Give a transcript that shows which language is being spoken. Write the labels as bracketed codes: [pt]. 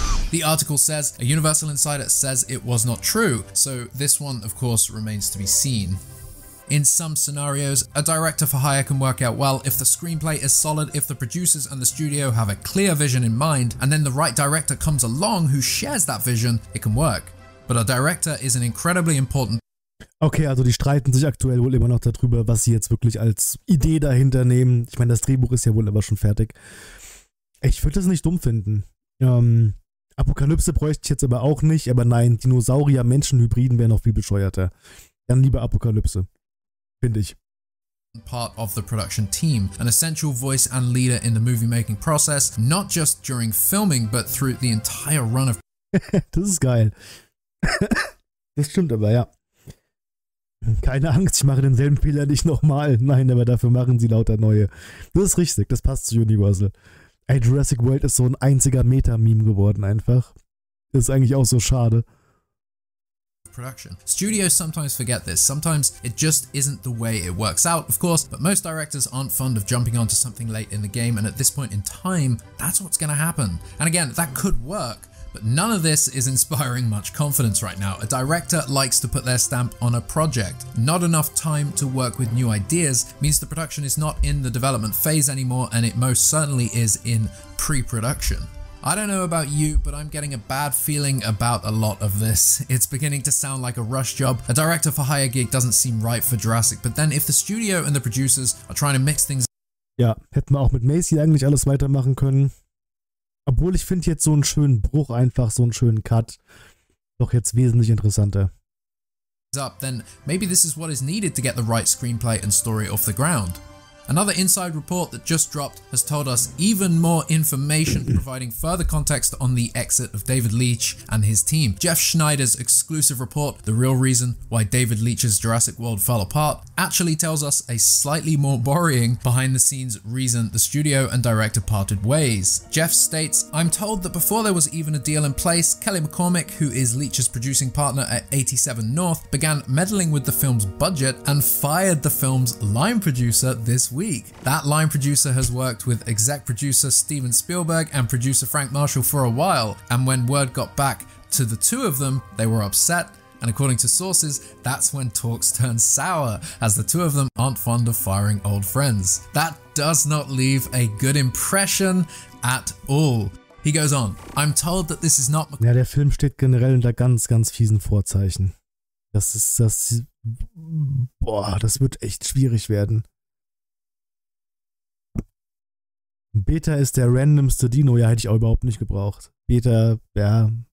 [en] The article says, a Universal Insider says it was not true, so this one, of course, remains to be seen. In some scenarios, a director for hire can work out well if the screenplay is solid, if the producers and the studio have a clear vision in mind, and then the right director comes along who shares that vision, it can work. But a director is an incredibly important. [de] Okay, also die streiten sich aktuell wohl immer noch darüber, was sie jetzt wirklich als Idee dahinter nehmen. Ich meine, das Drehbuch ist ja wohl aber schon fertig. Ich würde das nicht dumm finden. Apokalypse bräuchte ich jetzt aber auch nicht, aber nein, Dinosaurier-Menschen-Hybriden wären noch viel bescheuerter. Dann lieber Apokalypse. Finde ich. [en] Part of the production team, an essential voice and leader in the movie making process, not just during filming, but through the entire run of. [de] Das ist geil. Das stimmt aber, ja. Keine Angst, ich mache denselben Fehler nicht nochmal. Nein, aber dafür machen sie lauter neue. Das ist richtig, das passt zu Universal. Ey, Jurassic World ist so ein einziger Meta-Meme geworden einfach. Das ist eigentlich auch so schade. [en] Production. Studios sometimes forget this. Sometimes it just isn't the way it works out, of course, but most directors aren't fond of jumping onto something late in the game, and at this point in time, that's what's gonna happen. And again, that could work, but none of this is inspiring much confidence right now. A director likes to put their stamp on a project. Not enough time to work with new ideas means the production is not in the development phase anymore, and it most certainly is in pre-production. I don't know about you, but I'm getting a bad feeling about a lot of this. It's beginning to sound like a rush job. A director for hire gig doesn't seem right for Jurassic, but then if the studio and the producers are trying to mix things. [de] Ja, hätten wir auch mit Macy eigentlich alles weitermachen können. Obwohl ich finde jetzt so einen schönen Bruch einfach, so einen schönen Cut, doch jetzt wesentlich interessanter. [en] Up, then maybe this is what is needed to get the right screenplay and story off the ground. Another inside report that just dropped has told us even more information, providing further context on the exit of David Leitch and his team. Jeff Schneider's exclusive report, The Real Reason Why David Leitch's Jurassic World Fell Apart, actually tells us a slightly more worrying behind-the-scenes reason the studio and director parted ways. Jeff states, I'm told that before there was even a deal in place, Kelly McCormick, who is Leitch's producing partner at 87 North, began meddling with the film's budget and fired the film's line producer this week. That line producer has worked with exec producer Steven Spielberg and producer Frank Marshall for a while, and when word got back to the two of them, they were upset, and according to sources, that's when talks turned sour, as the two of them aren't fond of firing old friends. That does not leave a good impression at all. He goes on, I'm told that this is not. [de] Ja, der Film steht generell unter ganz, ganz fiesen Vorzeichen. Das ist das. Boah, das wird echt schwierig werden. Beta ist der randomste Dino, ja, hätte ich auch überhaupt nicht gebraucht. Beta, ja.